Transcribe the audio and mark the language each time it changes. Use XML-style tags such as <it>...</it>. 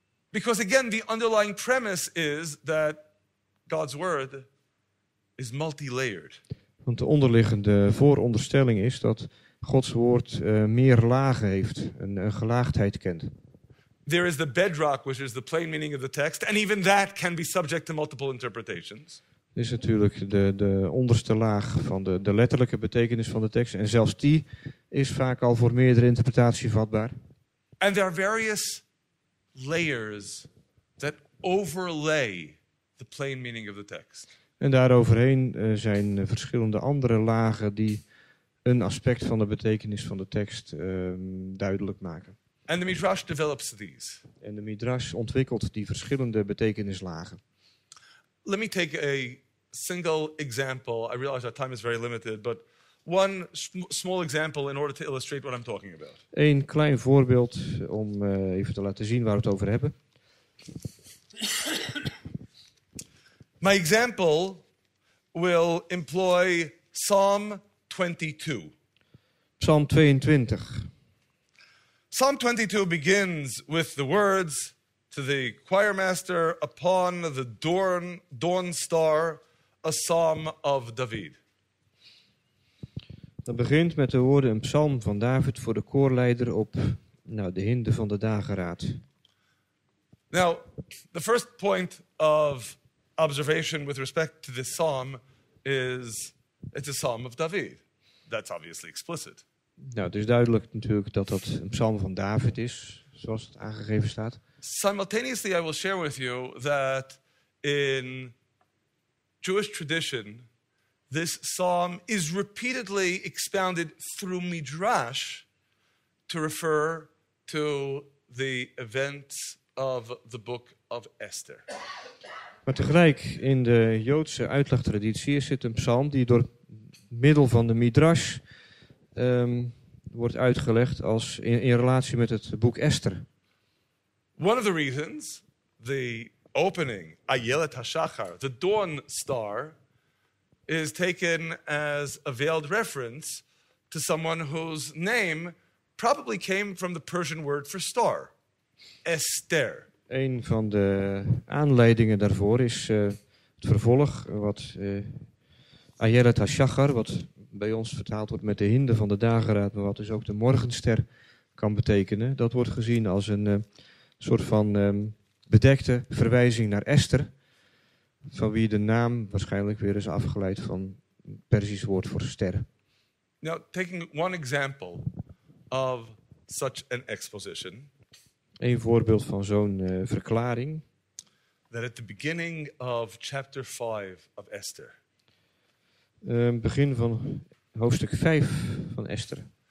<en>Because again, the underlying premise is that God's word is multi-layered.</en> <nl>Want de onderliggende vooronderstelling is dat Gods woord meer lagen heeft, een gelaagdheid kent.</nl> <en>There is the bedrock, which is the plain meaning of the text, and even that can be subject to multiple interpretations.</en> <nl>Dit is natuurlijk de onderste laag van de letterlijke betekenis van de tekst. En zelfs die is vaak al voor meerdere interpretatie vatbaar.</nl> <en>And there are various layers that overlay the plain meaning of the text.</en> <nl>En daaroverheen zijn verschillende andere lagen die een aspect van de betekenis van de tekst duidelijk maken.</nl> <en>And the Midrash develops these.</en> <nl>En de Midrash ontwikkelt die verschillende betekenislagen.</nl> <en>Let me take a single example. I realize that time is very limited, but one small example in order to illustrate what I'm talking about.</en> <nl>Een klein voorbeeld om even te laten zien waar we het over hebben.</nl> <en>My example will employ Psalm 22.</en> <nl>Psalm 22.</nl> <en>Psalm 22 begins with the words to the choir master upon the dawn star, a psalm of David.</en> <nl>Dat begint met de woorden een psalm van David voor de koorleider op de hinde van de dageraad.</nl> <en>Now, the first point of observation with respect to this psalm is it's a psalm of David. That's obviously explicit.</en> <nl>Nou, het is duidelijk natuurlijk dat dat een psalm van David is, zoals het aangegeven staat.</nl> <en>Simultaneously, I will share with you that in Jewish tradition, this psalm is repeatedly expounded through Midrash to refer to the events of the book of Esther.</en> <nl>Maar tegelijk, in de Joodse uitlegtraditie zit een psalm die door middel van de Midrash wordt uitgelegd als in relatie met het boek Esther.</nl> <en>One of the reasons, the opening, Ayelet HaShachar, the dawn star, is taken as a veiled reference to someone whose name probably came from the Persian word for star. Esther.</en> <nl>Een van de aanleidingen daarvoor is het vervolg wat Ayelet HaShachar, wat bij ons vertaald wordt met de hinde van de dageraad, maar wat dus ook de morgenster kan betekenen. Dat wordt gezien als een soort van bedekte verwijzing naar Esther, van wie de naam waarschijnlijk weer is afgeleid van het Perzisch woord voor ster.</nl> <en>Now, taking one example of such an exposition.</en> <nl>Een voorbeeld van zo'n verklaring.</nl> <en>That at the beginning of chapter 5 of Esther.</en> <nl>Begin van hoofdstuk 5 van Esther.</nl>